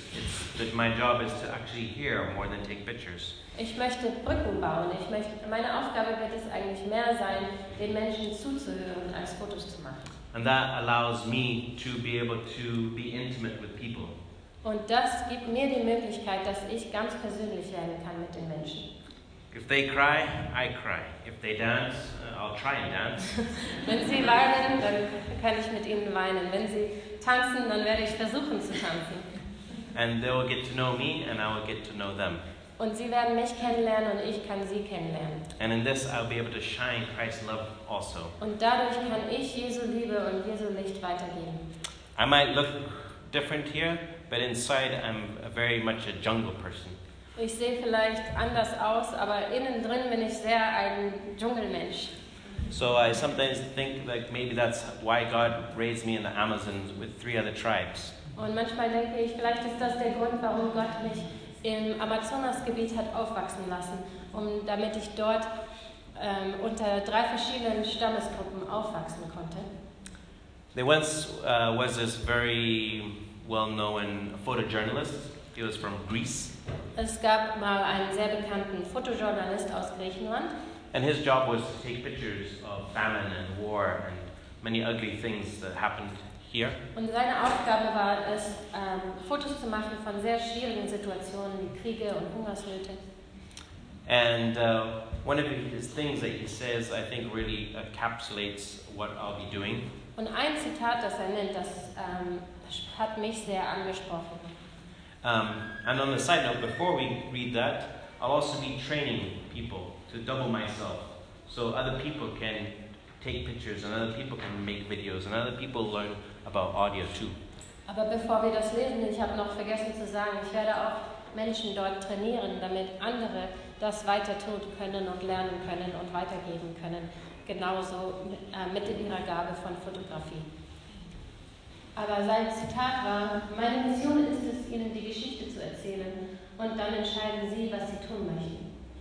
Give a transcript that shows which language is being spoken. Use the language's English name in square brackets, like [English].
[English] It's that my job is to actually hear more than take pictures. [German] Ich möchte Brücken bauen. Meine Aufgabe wird es eigentlich mehr sein, den Menschen zuzuhören, als Fotos zu machen. [English] And that allows me to be able to be intimate with people. [German] Und das gibt mir die Möglichkeit, dass ich ganz persönlich werden kann mit den Menschen. [English] If they cry, I cry. If they dance, I'll try and dance. [German] Wenn sie weinen, dann kann ich mit ihnen weinen. Wenn sie tanzen, dann werde ich versuchen zu tanzen. [English] And they will get to know me, and I will get to know them. [German] Und sie werden mich kennenlernen, und ich kann sie kennenlernen. [English] And in this, I'll be able to shine Christ's love also. [German] Und dadurch kann ich Jesu Liebe und Jesu Licht weitergeben. [English] I might look different here, but inside I'm very much a jungle person. [German] Ich sehe vielleicht anders aus, aber innen drin bin ich sehr ein Dschungelmensch. [English] So I sometimes think that maybe that's why God raised me in the Amazon with three other tribes. [German] Und manchmal denke ich, vielleicht ist das der Grund, warum Gott mich im Amazonasgebiet hat aufwachsen lassen, damit ich dort unter drei verschiedenen Stammesgruppen aufwachsen konnte. [English] There once was this very well-known photojournalist. He was from Greece. [German] Es gab mal einen sehr bekannten Fotojournalist aus Griechenland. [English] And his job was to take pictures of famine and war and many ugly things that happened here. [German] Und seine Aufgabe war es, Fotos zu machen von sehr schwierigen Situationen wie Kriege und Hungersnöte. [English] And one of his things that he says, I think, really encapsulates what I'll be doing. [German] Und ein Zitat, das er nennt, das hat mich sehr angesprochen. [English] And on a side note, before we read that, I'll also be training people to double myself so other people can take pictures and other people can make videos and other people learn about audio too. [German] Aber bevor wir das lesen, ich habe noch vergessen zu sagen, ich werde auch Menschen dort trainieren, damit andere das weiter tun können und lernen können und weitergeben können, genauso mit ihrer Gabe von Fotografie. Aber sein Zitat war, meine Mission ist es, ihnen die Geschichte zu erzählen und dann entscheiden sie, was sie tun möchten.